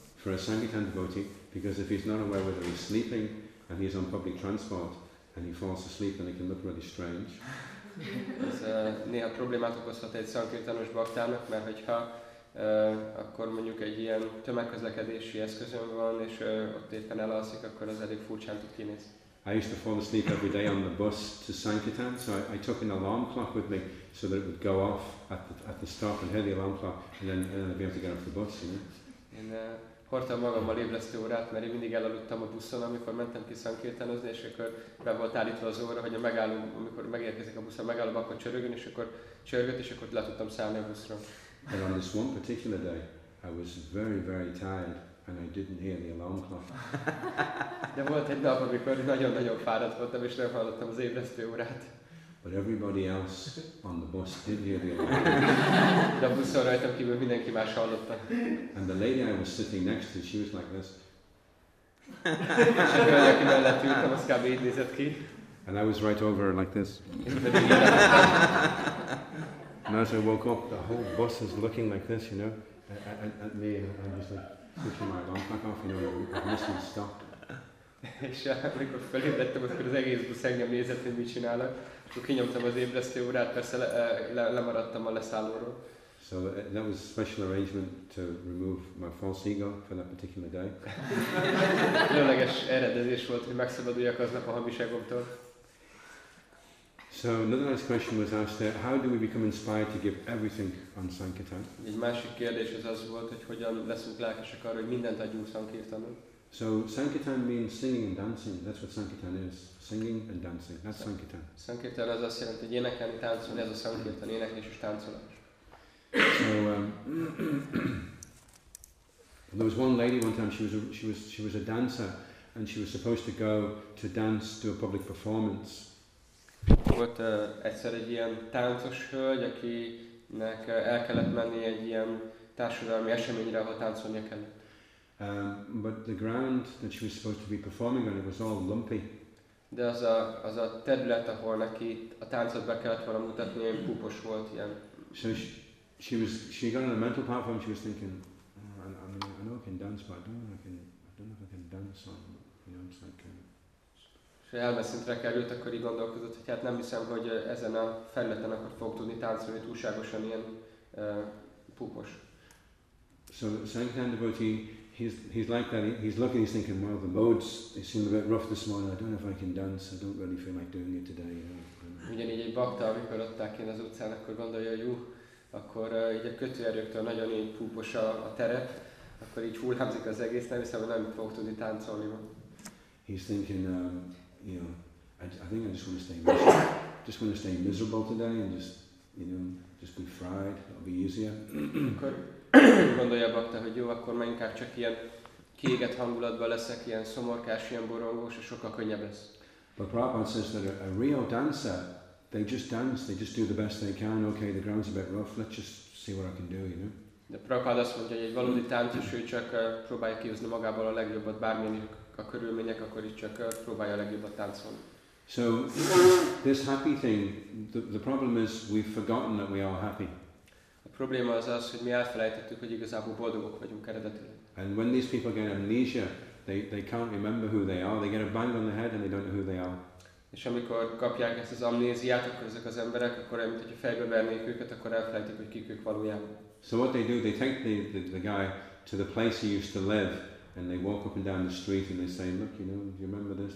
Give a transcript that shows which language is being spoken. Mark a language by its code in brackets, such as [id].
[en] for a Sankirtan devotee, because if he's not aware whether he's sleeping and he's on public transport and he falls asleep, then it can look really strange. [hu] Ez néha problémát okozhat egy szankirtanos baktának, mert hogyha akkor mondjuk egy ilyen tömegközlekedési eszközön van, és ott éppen elalszik, akkor az elég furcsán tud kinézni. [en] I used to fall asleep every day on the bus to Sankirtan, so I took an alarm clock with me so that it would go off at the stop and hear the alarm clock, and then I'd be able to get off the bus, you know. [hu] Én hordtam magammal ébresztő órát, mert én mindig elaludtam a buszon, amikor mentem ki szankirtanozni, és akkor be volt állítva az óra, hogy amikor megérkezik a busz, megállom, akkor csörögön, és akkor csörgött, és akkor le tudtam szállni a buszra. [en] And on this one particular day, I was very, very tired, and I didn't hear the alarm clock. [hu] De volt egy nap, amikor nagyon-nagyon fáradt voltam, és nem hallottam az ébresztő órát. [en] But everybody else on the bus did hear the alarm. [hu] De a buszon rajtam kívül mindenki más hallotta. [en] And the lady I was sitting next to, she was like this. [hu] És a hölgy, aki mellett ültem, az kb. Így nézett ki. [en] And I was right over like this. And as I woke up, the whole bus is looking like this, you know, at me, and I'm just like pushing my alarm clock off, you know, the bus is stopped. [hu] És amikor felébredtem, akkor az egész busz engem nézett, hogy mit csinálok. Akkor kinyomtam az ébresztő órát, persze lemaradtam a leszállóról. [en] So that was a special arrangement to remove my false ego for that particular day. [hu] Különleges eredezés volt, hogy megszabaduljak aznap a hamiságomtól. [en] So another nice question was asked there, how do we become inspired to give everything on Sankirtan? [hu] Egy másik kérdés az volt, hogy hogyan leszünk lelkesek arra, hogy mindent adjunk Sankirtanon. [en] So Sankirtan means singing and dancing. That's what Sankirtan is. Singing and dancing. That's Sankirtan. [hu] Sankirtan az azt jelenti, hogy énekelni, táncolni. Ez a Sankirtan, éneklés és táncolás. [en] So there was one lady one time, she was a dancer, and she was supposed to go to dance to a public performance. [hu] Volt egyszer egy ilyen táncos hölgy, akinek el kellett menni egy ilyen társadalmi eseményre, ahol táncolnia kellett. [en] But the ground that she was supposed to be performing on, it was all lumpy. [hu] De az a terület, ahol neki a táncot be kellett volna mutatni, ilyen púpos volt, ilyen. [en] So she got on a mental platform. She was thinking, I know I can dance, but I don't know if I can dance on, you know, it's like. [hu] És ha elmeszintre került, akkor így gondolkozott, hogy hát nem hiszem, hogy ezen a felületen akkor fog tudni táncolni túlságosan ilyen púpos. [en] So Sankirtan devotee, he's like that, he's looking, he's thinking, well, the modes, they seem a bit rough this morning, I don't know if I can dance, I don't really feel like doing it today. [hu] Ugyanígy egy bakta, amikor ott áll kint az utcán, akkor gondolja, hogy akkor így a kötőerőktől nagyon így púpos a terep, akkor így hullámzik az egész, nem hiszem, hogy nem fog tudni táncolni. [en] He's thinking, I think I just want to stay miserable. Just want to stay miserable today and just, you know, just be fried. It'll be easier. [hu] Akkor gondolja bakta, hogy jó, akkor már inkább csak ilyen kiégett hangulatban leszek, ilyen szomorkás, ilyen borongós, és sokkal könnyebb lesz. [en] But Prabhupada says that a real dancer, they just dance, they just do the best they can. Okay, the ground's a bit rough. Let's just see what I can do, you know. [hu] De Prabhupada azt mondja, hogy egy valódi táncos, ő csak próbálja kihozni magából a legjobbat, bármilyen a körülmények, akkor is csak próbálja a legjobbat táncolni. [en] So this happy thing, the problem is we've forgotten that we are happy. [hu] A probléma az, hogy mi elfelejtettük, hogy igazából boldogok vagyunk eredetileg. [en] And when these people get amnesia, they can't remember who they are. They get a bang on the head and they don't know who they are. [hu] És amikor kapják ezt az amnéziát, akkor ezek az emberek, akkor mint hogy fejbe vernék őket, akkor elfelejtik, hogy kik ők valójában. [en] So what they do, they take the guy to the place he used to live, and they walk up and down the street and they say, look, you know, do you remember this?